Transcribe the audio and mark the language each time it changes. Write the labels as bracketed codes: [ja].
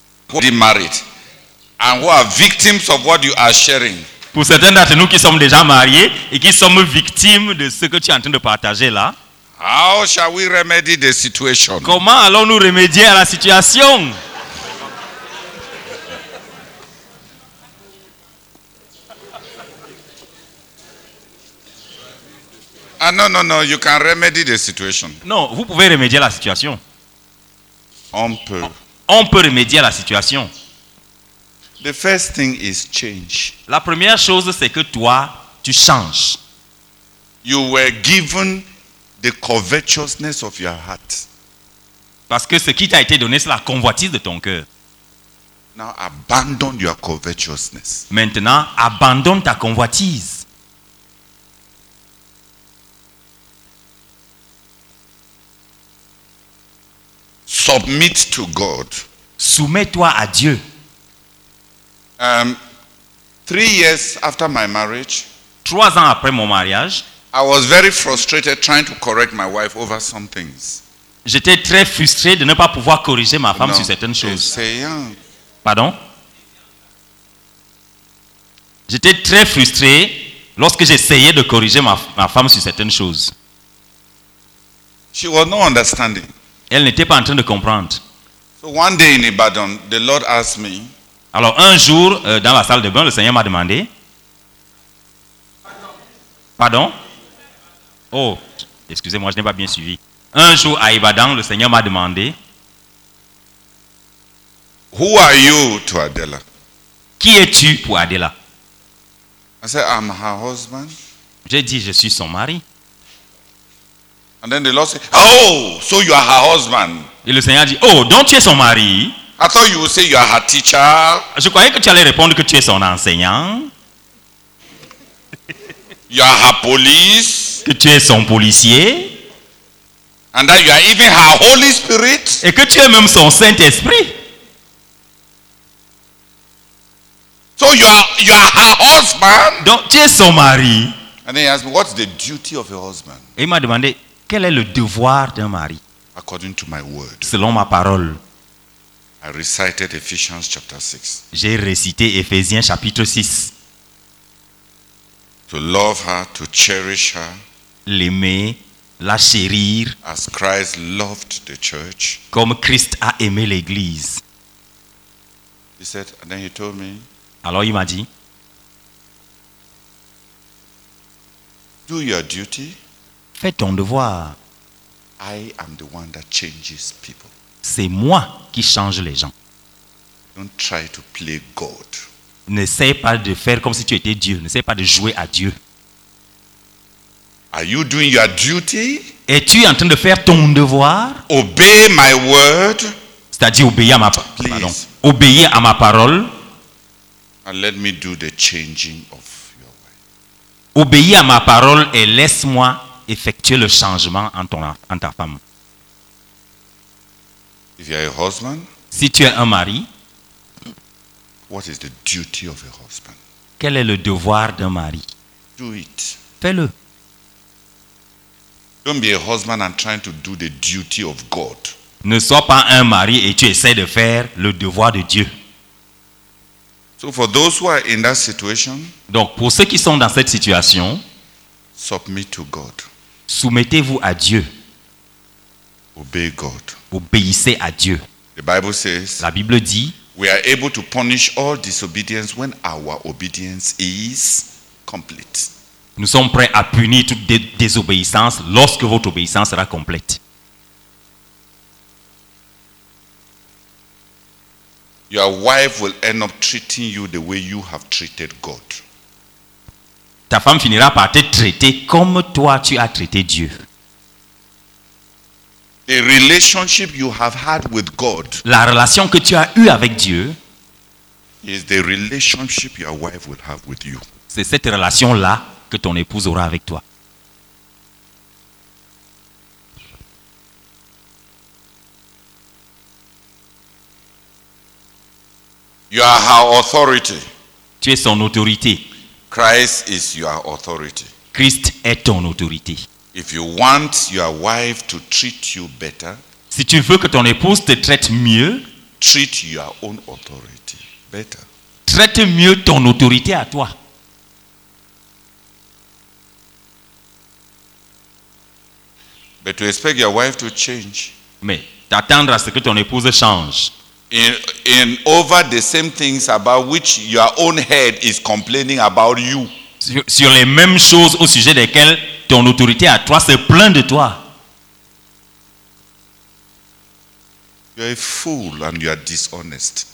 [en] Who are married and who are victims of what you are sharing? [fr] Pour certains d'entre nous qui sommes déjà mariés et qui sommes victimes de ce que tu es en train de partager là. [en] How shall we remedy the situation? [fr] Comment allons-nous remédier à la situation? Ah non, non, non, [en] you can remedy the situation. [fr] Non, vous pouvez remédier à la situation. On peut remédier à la situation. [en] The first thing is change. [fr] La première chose, c'est que toi, tu changes. [en] You were given the covetousness of your heart. [fr] Parce que ce qui t'a été donné, c'est la convoitise de ton cœur. [en] Now abandon your covetousness. [fr] Maintenant, abandonne ta convoitise. [en] Submit to God. [fr] Soumets-toi à Dieu. [en] 3 years after my marriage, [fr] 3 ans après mon mariage, [en] I was very frustrated trying to correct my wife over some things. [fr] J'étais très frustré de ne pas pouvoir corriger ma femme sur certaines choses. Essayant. Pardon? J'étais très frustré lorsque j'essayais de corriger ma femme sur certaines choses. [en] She was not understanding. [fr] Elle n'était pas en train de comprendre. [en] So one day in Ibadan, the Lord asked me. [fr] Alors un jour dans la salle de bain, le Seigneur m'a demandé. Pardon? Oh, excusez-moi, je n'ai pas bien suivi. Un jour à Ibadan, le Seigneur m'a demandé. [en] Who are you to Adela? [fr] Qui es-tu pour Adela? [en] I said, I'm her husband. [fr] J'ai dit, je suis son mari. [en] And then the Lord said, oh, so you are her husband. [fr] Et le Seigneur dit, oh, donc tu es son mari. [en] I thought you would say you are her teacher. [fr] Je croyais que tu allais répondre que tu es son enseignant. [en] You are her police. [fr] Que tu es son policier. [en] And that you are even her Holy Spirit. [fr] Et que tu es même son Saint-Esprit. [en] So you are her husband. [fr] Donc tu es son mari. [en] And then he asked me, what's the duty of a husband? [fr] Et il m'a demandé, quel est le devoir d'un mari? [en] According to my word. [fr] Selon ma parole. [en] I recited Ephesians chapter 6. [fr] J'ai récité Ephésiens chapitre 6. [en] To love her, to cherish her. [fr] L'aimer, la chérir. [en] As Christ loved the church. [fr] Comme Christ a aimé l'église. [en] He said, and then he told me. [fr] Alors il m'a dit. [en] Do your duty. [fr] Fais ton devoir. [en] I am the one that changes people. [fr] C'est moi qui change les gens. [en] Don't try to play God. [fr] N'essaie pas de faire comme si tu étais Dieu. N'essaie pas de jouer à Dieu. [en] Are you doing your duty? [fr] Es-tu en train de faire ton devoir? [en] Obey my word. [fr] C'est-à-dire obéir à ma parole. Pardon. Obéir à ma parole. [en] And let me do the changing of your life. [fr] Obéir à ma parole et laisse-moi effectuer le changement en ta femme. [en] If you are a husband, [fr] si tu es un mari, [en] what is the duty of a husband? [fr] Quel est le devoir d'un mari? [en] Do it. [fr] Fais-le. [en] Don't be a husband and trying to do the duty of God. [fr] Ne sois pas un mari et tu essaies de faire le devoir de Dieu. [en] So for those who are in that situation, [fr] donc pour ceux qui sont dans cette situation, [en] submit to God. [fr] Soumettez-vous à Dieu. [en] Obey God. [fr] Obéissez à Dieu. [en] The Bible says, [fr] la Bible dit, [en] we are able to punish all disobedience when our obedience is complete. [fr] Nous sommes prêts à punir toute désobéissance lorsque votre obéissance sera complète. [en] Your wife will end up treating you the way you have treated God. [fr] Ta femme finira par te traiter comme toi tu as traité Dieu. [en] The relationship you have had with God, [fr] la relation que tu as eue avec Dieu, [en] is the relationship your wife will have with you. [fr] C'est cette relation-là que ton épouse aura avec toi. [en] You are her authority. [fr] Tu es son autorité. [en] Christ is your authority. [fr] Christ est ton autorité. [en] If you want your wife to treat you better, [fr] si tu veux que ton épouse te traite mieux, [en] treat your own authority better. [fr] Traite mieux ton autorité à toi. [en] But to expect your wife to change, [fr] mais t'attendre à ce que ton épouse change, [en] in over the same things about which your own head is complaining about you, [fr] sur les mêmes choses au sujet desquelles ton autorité à toi se plaint de toi. [en] You are a fool and you are dishonest.